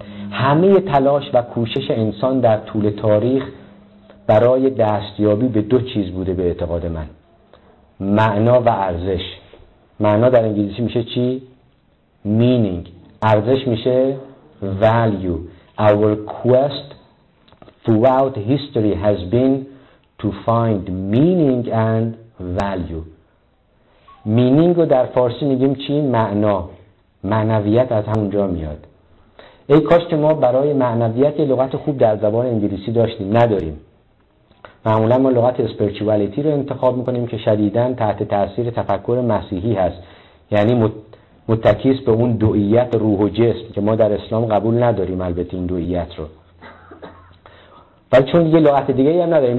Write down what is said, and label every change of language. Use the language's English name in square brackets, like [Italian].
[Persian] همه تلاش و کوشش انسان در طول تاریخ برای دستیابی به دو چیز بوده به اعتقاد من: معنا و ارزش. معنا در انگلیسی میشه چی؟ meaning. ارزش میشه value. [English] Our quest throughout history has been to find meaning and value. [Persian] meaning رو در فارسی میگیم چی؟ معنا. معنویت از همونجا میاد. ای کاش که ما برای معنویت لغت خوب در زبان انگلیسی داشتیم. نداریم. معمولا ما لغت اسپریچوالیتی رو انتخاب میکنیم که شدیداً تحت تأثیر تفکر مسیحی هست، یعنی متکیست به اون دوئیت روح و جسم که ما در اسلام قبول نداریم البته این دوئیت رو، ولی چون دیگه لغت دیگه هم نداریم.